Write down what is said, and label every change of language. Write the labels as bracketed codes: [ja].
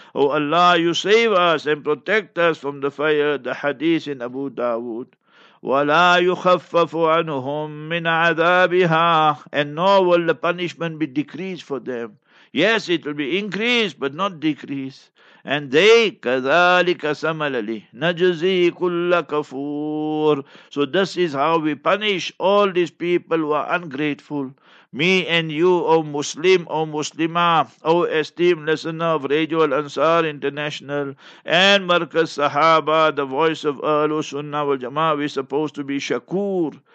[en] O Allah, you save us and protect us from the fire. The hadith in Abu Dawood. [ar] وَلَا يُخَفَّفُ عَنُهُمْ مِنْ عَذَابِهَا, [en] and nor will the punishment be decreased for them. Yes, it will be increased, but not decreased. And they, [ar] كَذَلِكَ سَمَلَلِي نَجْزِي كُلَّ كَفُورٍ. [en] So this is how we punish all these people who are ungrateful. Me and you, O Muslim, O Muslimah, O esteemed listener of Radio Al-Ansar International and Markaz Sahaba, the voice of Ahlul Sunnah wal-Jama'ah, we're supposed to be Shakur.